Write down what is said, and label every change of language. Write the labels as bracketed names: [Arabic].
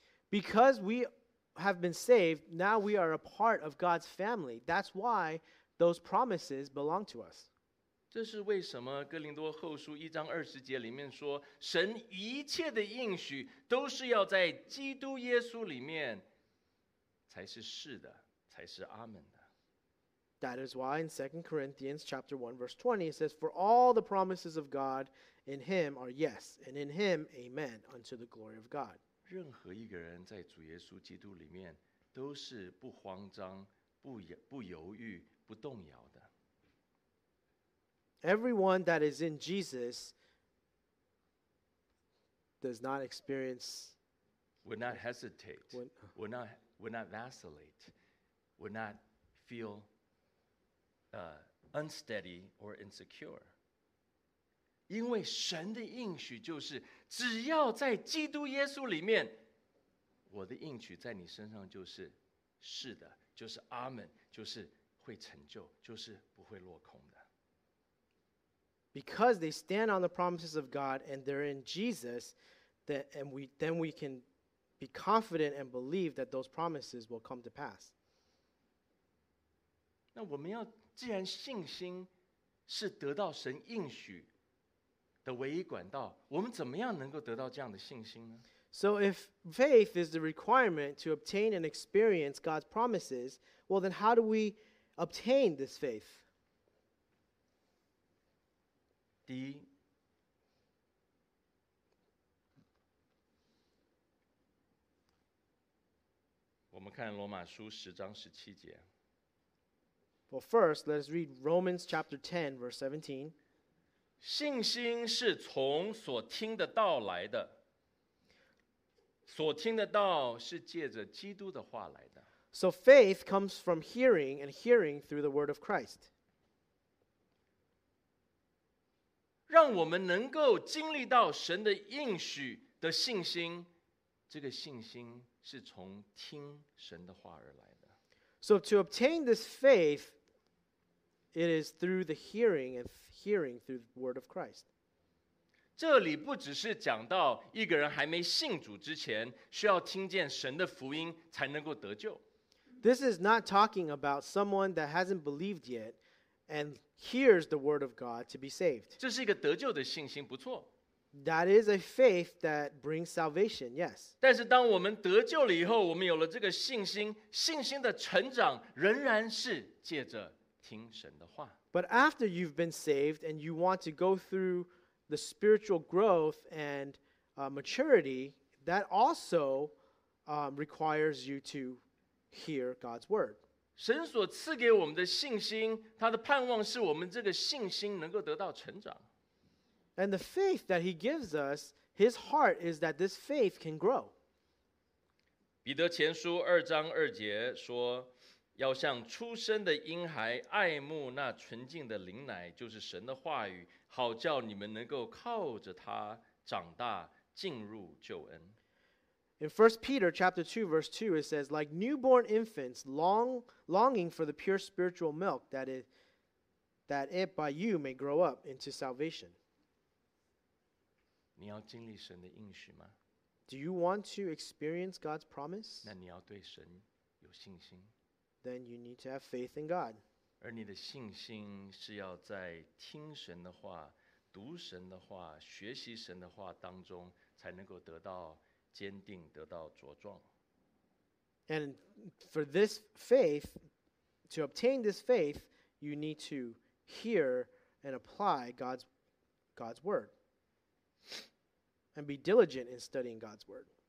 [English] Because we have been saved, now we are a part of God's family. That's why those promises belong to us. [Chinese] 这是为什么哥林多后书一章二十节里面说，神一切的应许都是要在基督耶稣里面才是是的，才是阿们的。 [English] That is why in 2 Corinthians chapter 1 verse 20 it says, For all the promises of God in him are yes, and in him amen unto the glory of God. [Chinese] 任何一个人在主耶稣基督里面都是不慌张、不犹豫、不动摇的。 [English] Everyone that is in Jesus does not experience will not hesitate, will not vacillate, will not feel unsteady or insecure. [Chinese] 因为神的应许就是只要在基督耶稣里面，我的应许在你身上就是是的，就是阿们，就是会成就，就是不会落空的。 [English] Because they stand on the promises of God and they're in Jesus, then we can be confident and believe that those promises will come to pass. [Chinese] 那我们要既然信心是得到神应许的唯一管道，我们怎么样能够得到这样的信心呢？ [English] So if faith is the requirement to obtain and experience God's promises, well then how do we obtain this faith? [Chinese] 第一，我们看罗马书十章十七节。 [English] Well, first, let us read Romans chapter 10, verse 17. [Chinese] 信心是从所听的道来的，所听的道是借着基督的话来的。 [English] So faith comes from hearing, and hearing through the word of Christ. [Chinese] 让我们能够经历到神的应许的信心，这个信心是从听神的话而来的。 [English] So to obtain this faith, it is through the hearing and hearing through the word of Christ. [Chinese] 这里不只是讲到一个人还没信主之前需要听见神的福音才能够得救。 [English] This is not talking about someone that hasn't believed yet and hears the word of God to be saved. [Chinese] 这是一个得救的信心，不错。 [English] That is a faith that brings salvation, yes. [Chinese] 但是当我们得救了以后，我们有了这个信心，信心的成长仍然是借着听神的话。 [English] But after you've been saved and you want to go through the spiritual growth and maturity, that also requires you to hear God's word. [Chinese] 神所赐给我们的信心，他的盼望是我们这个信心能够得到成长。 [English] And the faith that he gives us, his heart is that this faith can grow. [Chinese] 彼得前书二章二节说，要像出生的婴孩爱慕那纯净的灵奶，就是神的话语，好叫你们能够靠着他长大，进入救恩。 [English] In 1 Peter chapter 2, verse 2, it says, like newborn infants longing for the pure spiritual milk, that it by you may grow up into salvation. [Chinese] 你要经历神的应许吗? [English] Do you want to experience God's promise? [Chinese] 那你要对神有信心。 [English] Then you need to have faith in God. [Chinese] 而你的信心是要在听神的话、读神的话、学习神的话当中才能够得到坚定，得到茁壮。 [English] And for this faith, to obtain this faith, you need to hear and apply God's word, and be diligent in studying God's word.